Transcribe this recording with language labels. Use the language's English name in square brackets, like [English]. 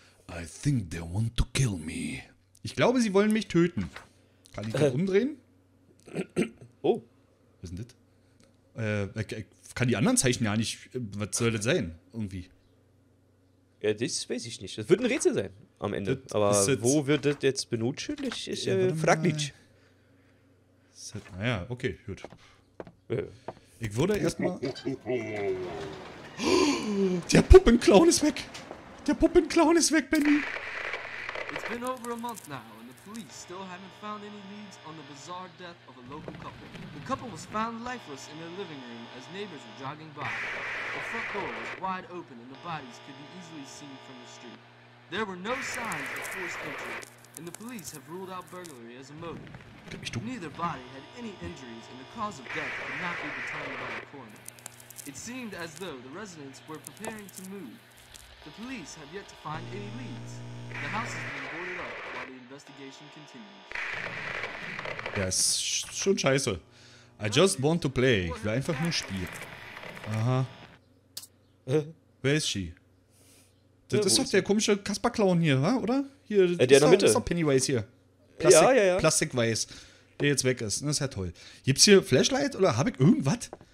[English] I think they want to kill me. [German] Ich glaube, sie wollen mich töten. Kann ich das umdrehen? Oh. Was ist denn das? Kann die anderen Zeichen ja nicht. Was soll das sein? Irgendwie. Ja, das weiß ich nicht. Das wird ein Rätsel sein am Ende. Das aber wo wird das jetzt benutzt? Das ist fraglich. Naja, okay, gut. Ich würde erstmal. Der Puppenclown ist weg! Der Puppenclown ist weg, Benny! [English] It's been over a month now and the police still haven't found any leads on the bizarre death of a local couple. The couple was found lifeless in their living room as neighbors were jogging by. The front door was wide open and the bodies could be easily seen from the street. There were no signs of forced entry and the police have ruled out burglary as a motive. Neither body had any injuries and the cause of death could not be determined by the coroner. It seemed as though the residents were preparing to move. The police have yet to find any leads. The house has been boarded up while the investigation continues. [German] Ja, ist schon scheiße. [English] I just want to play. [German] Ich will einfach nur spielen. Aha. [English] Where is she? [German] Das ist doch der komische Kasper-Clown hier, oder? Hier, der in der Mitte. Das ist doch Pennywise hier. Plastik, ja, ja, ja. Plastik-Weiß, der jetzt weg ist. Das ist ja toll. Gibt's hier Flashlight oder habe ich irgendwas?